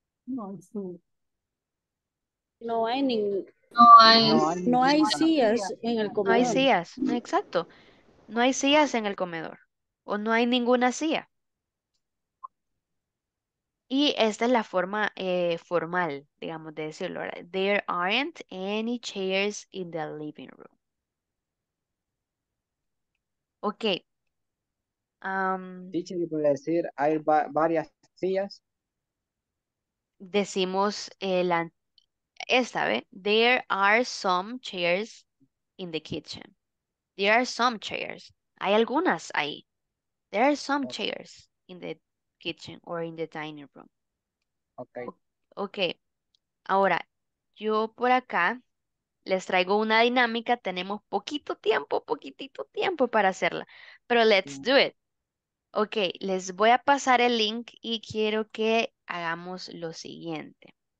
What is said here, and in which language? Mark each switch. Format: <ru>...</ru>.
<es>No hay sillas en el comedor. No hay sillas, exacto. No hay sillas en el comedor. O no hay ninguna silla. Y esta es la forma formal, digamos, de decirlo.</es> <en>There aren't any chairs in the living room. Ok.</en> <es>Teacher, ¿y puede decir hay varias sillas? Decimos esta, ¿ve?</es> <en>There are some chairs in the kitchen. There are some chairs.</en> <es>Hay algunas ahí.</es> <en>There are some chairs in the kitchen or in the dining room. Okay.</en> <es>Ahora, yo por acá les traigo una dinámica. Tenemos poquitito tiempo para hacerla. Pero</es> <en>let's do it.</en> <es>Okay, les voy a pasar el link y quiero que hagamos lo siguiente.</es>